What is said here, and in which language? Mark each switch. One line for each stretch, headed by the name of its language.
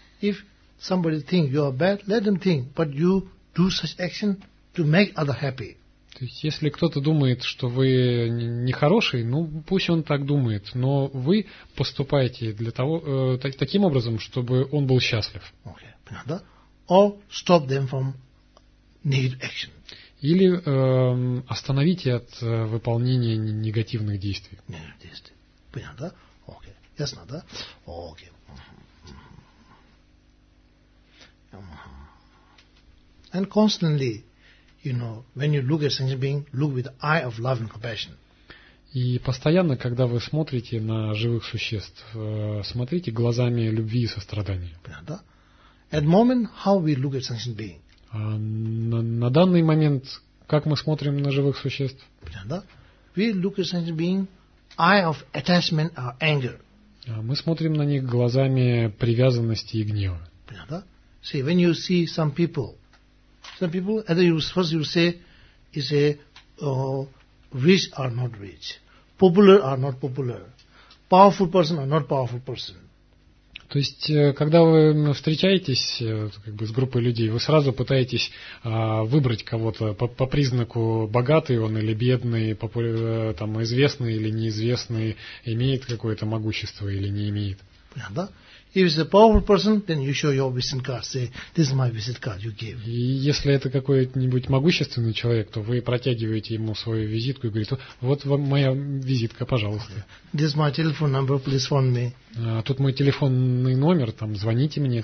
English: If somebody thinks you are bad, let them think, but you do such action to make other happy.
Russian: То есть, если кто-то думает, что вы нехороший, ну, пусть он так думает, но вы поступаете для того, таким образом, чтобы он был счастлив.
English: Okay. Or stop them from negative action.
Russian: Или остановите от выполнения негативных действий. Негативных действий. Понятно, да? Окей. Ясно, да? Окей.
English: And constantly, you know, when you look at sentient being, look with the eye of love and compassion.
Russian: И постоянно, когда вы смотрите на живых существ, смотрите глазами любви и сострадания. Понятно, да?
English: At the moment, how we look at sentient being.
Russian: На данный момент, как мы смотрим на живых существ?
English: We look at sentient being eye of attachment or anger.
Russian: Мы смотрим на них глазами привязанности и гнева.
English: See, when you see some people, either you first you say, is a rich or not rich, popular or not popular, powerful person or not powerful person.
Russian: То есть, когда вы встречаетесь как бы, с группой людей, вы сразу пытаетесь выбрать кого-то по признаку, богатый он или бедный, там, известный или неизвестный, имеет какое-то могущество или не имеет. Понятно, да?
English: If it's a powerful person, then you show your visit card, say, this is my visit card you gave.
Russian: И если это какой-нибудь могущественный человек, то вы протягиваете ему свою визитку и говорите, вот вам моя визитка, пожалуйста.
English: Okay. This is my telephone number, please phone me.
Russian: Тут мой телефонный номер, там, звоните мне,